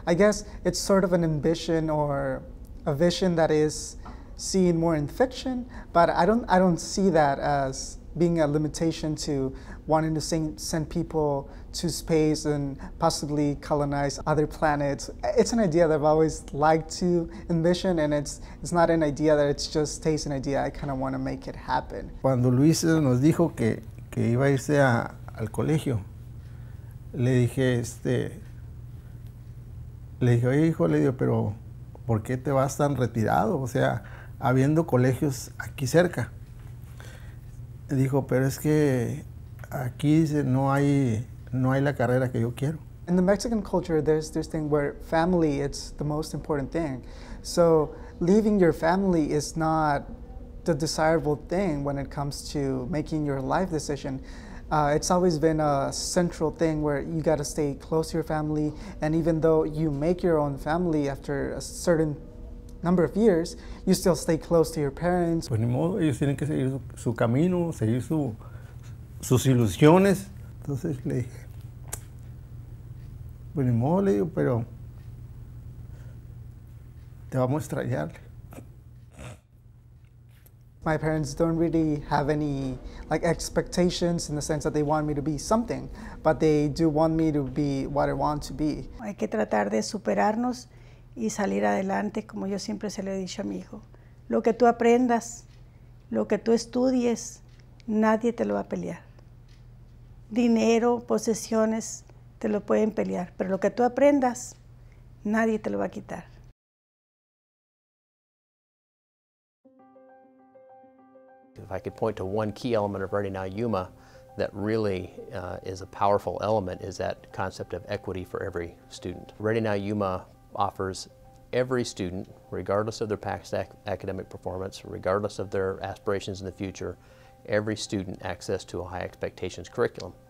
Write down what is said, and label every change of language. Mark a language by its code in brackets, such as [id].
[en] I guess it's sort of an ambition or a vision that is seen more in fiction, but I don't see that as being a limitation to wanting to send people to space and possibly colonize other planets. It's an idea that I've always liked to envision, and it's not an idea that it's just stays an idea. I kind of want to make it happen. [es] Cuando Luis nos dijo que iba a irse al colegio, le dije, hijo, le digo, pero ¿por qué te vas tan retirado? O sea, habiendo colegios aquí cerca. Dijo, pero es que aquí dice, no hay la carrera que yo quiero. [en] In the Mexican culture, there's this thing where family, it's the most important thing. So leaving your family is not the desirable thing when it comes to making your life decision. It's always been a central thing where you got to stay close to your family. And even though you make your own family after a certain number of years, you still stay close to your parents. [es] Pues ni modo, ellos tienen que seguir su camino, seguir sus ilusiones. Entonces le dije, pues ni modo, le digo, pero te vamos a extrañar. [en] My parents don't really have any like expectations in the sense that they want me to be something, but they do want me to be what I want to be. [es] Hay que tratar de superarnos y salir adelante, como yo siempre se lo he dicho a mi hijo. Lo que tú aprendas, lo que tú estudies, nadie te lo va a pelear. Dinero, posesiones, te lo pueden pelear, pero lo que tú aprendas, nadie te lo va a quitar. [en] If I could point to one key element of Ready Now Yuma that really is a powerful element, is that concept of equity for every student. Ready Now Yuma offers every student, regardless of their past academic performance, regardless of their aspirations in the future, every student access to a high expectations curriculum.